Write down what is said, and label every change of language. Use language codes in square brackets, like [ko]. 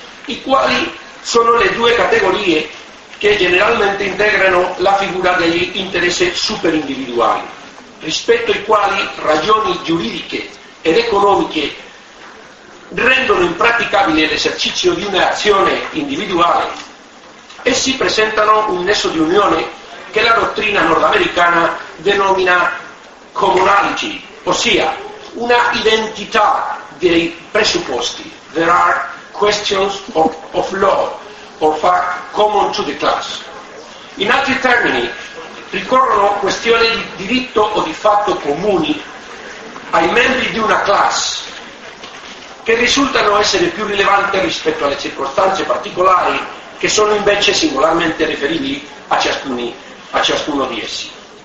[it] i quali sono le due categorie che generalmente integrano la figura degli interessi superindividuali, rispetto ai quali ragioni giuridiche ed economiche rendono impraticabile l'esercizio di un'azione individuale. Essi presentano un nesso di unione che la dottrina nordamericana denomina commonality, ossia una identità dei presupposti. [en] There are questions of law or fact common to the class. [it] In altri termini, ricorrono questioni di diritto o di fatto comuni ai membri di una class che risultano essere più rilevanti rispetto alle circostanze particolari che sono invece singolarmente riferibili a ciascuno di essi.